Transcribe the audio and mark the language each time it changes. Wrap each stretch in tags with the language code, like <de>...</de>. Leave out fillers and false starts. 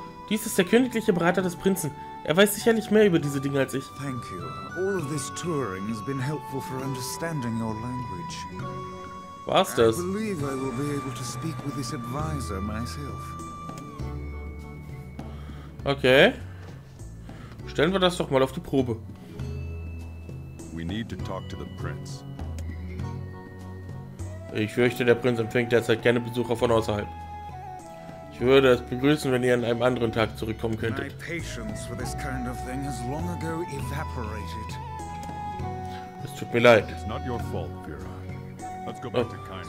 <de>Dies ist der königliche Berater des Prinzen. Er weiß sicherlich mehr über diese Dinge als ich.</de> <en>Thank you. All of this touring has been helpful for understanding your language.</en> <de>Was das?</de> <en>I believe I will be able to speak with this advisor myself. Okay.</en> <de>Stellen wir das doch mal auf die Probe.</de> <en>We need to talk to the prince.</en> <de>Ich fürchte, der Prinz empfängt derzeit keine Besucher von außerhalb. Ich würde es begrüßen, wenn ihr an einem anderen Tag zurückkommen könntet.</de> <en>My patience for this kind of thing has long ago evaporated.</en> <de>Es tut mir leid.</de> <en>It's not your fault, Vera. Let's go back to kindness.</en>